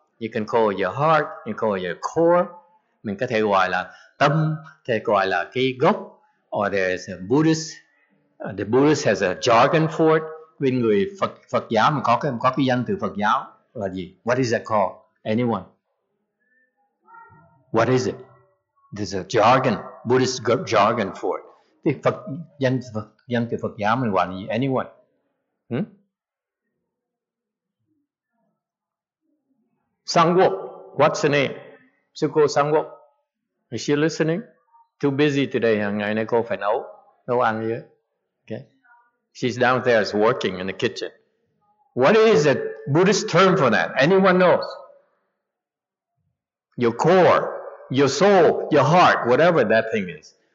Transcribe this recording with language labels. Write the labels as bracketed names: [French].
[English] You can call your heart, you can call your core. [Vietnamese] Mình có thể gọi là tâm, thể gọi là cái gốc. [English] Or there's a Buddhist. The Buddhist has a jargon for it. [Vietnamese] Bên người Phật giáo mình có cái danh từ Phật giáo là gì? [English] What is that called? Anyone? What is it? There's a jargon, Buddhist jargon for it. [Vietnamese] Thì Phật danh từ Phật giáo mình gọi là gì? Anyone? [English] Sangwo, what's the name? Sư cô Sangwo, is she listening? Too busy today, [Vietnamese] hàng ngày nay cô phải nấu ăn gì? [English] Okay. She's down there is working in the kitchen. What is a Buddhist term for that? Anyone knows? Your core, your soul, your heart, whatever that thing is.